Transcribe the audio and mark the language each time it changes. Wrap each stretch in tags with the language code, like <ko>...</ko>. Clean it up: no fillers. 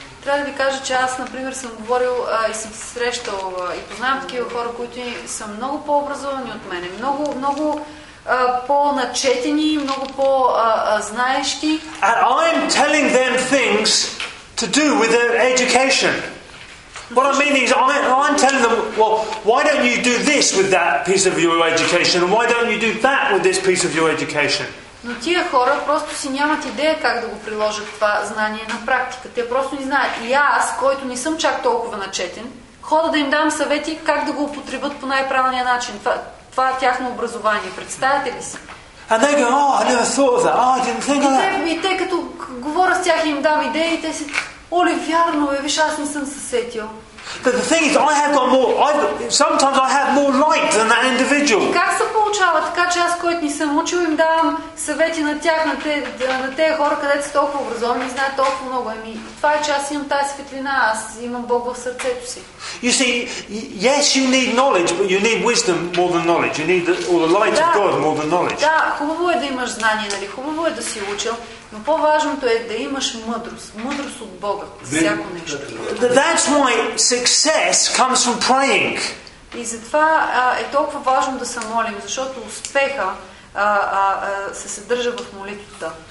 <bg>Трябва да ви кажа, че аз, например, съм говорил и съм се срещал и познавам такива хора, които са много по-образовани от мене, много по-начетени, много по-знаещи.</bg> <en>And I'm telling them things to do with their education. What I mean is, I'm telling them, well, why don't you do this with that piece of your education, and why don't you do that with this piece of your education?</en> <bg>Но тия хора просто си нямат идея как да го приложат това знание на практика. Те просто не знаят. И аз, който не съм чак толкова начетен, хода да им дам съвети как да го употребят по най-правилния начин. Това е тяхно образование. Представете ли си?</bg> <en>And they go, oh, I never thought of that. Oh, I didn't think of that.</en> <bg>И те като говоря с тях и им дам идеи, те си... Оле, вярно е, виж, аз не съм се сетил.</bg> <en>But the thing is, I have got more. Sometimes I have more light than that individual.</en> <bg>Как се получава така, че аз, който не съм учил, им давам съвети на тях, на тези хора, където са толкова образовани и знаят толкова много. Ами, това е, че аз имам тази светлина, аз имам Бог в сърцето си.</bg> <en>You see, yes, you need knowledge, but you need wisdom more than knowledge. You need the light of God more than knowledge.</en> <bg>Да, хубаво е да имаш знание, нали? Хубаво е да си учил. Но по-важното е да имаш мъдрост. Мъдрост от Бога. Всяко нещо.</bg> <en>That's why success comes from praying.</en> <bg>И затова е толкова важно да се молим, защото успеха се съдържа в молитвата.</bg>